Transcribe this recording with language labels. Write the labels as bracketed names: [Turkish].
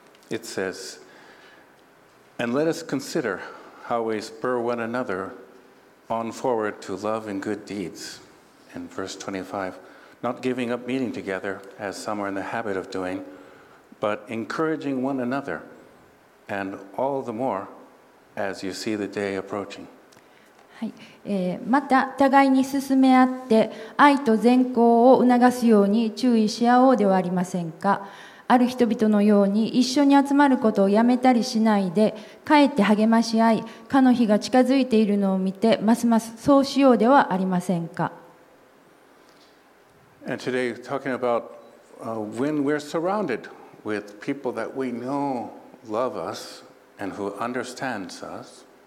[English] It says, "And let us consider how we spur one another on forward to love and good deeds." In verse 25, "Not giving up meeting together as some are in the habit of doing, but encouraging one another, and all the more as you see the day approaching." [Japanese] はい、また互いに進め合って愛と善行を促すように注意し合おうではありませんか。ある人々のように一緒に集まることをやめたりしないで、かえって励まし合い、かの日が近づいているのを見てますますそうしようではありませんか。 [English] And today talking about, when we're surrounded with people that we know love us and who understands us.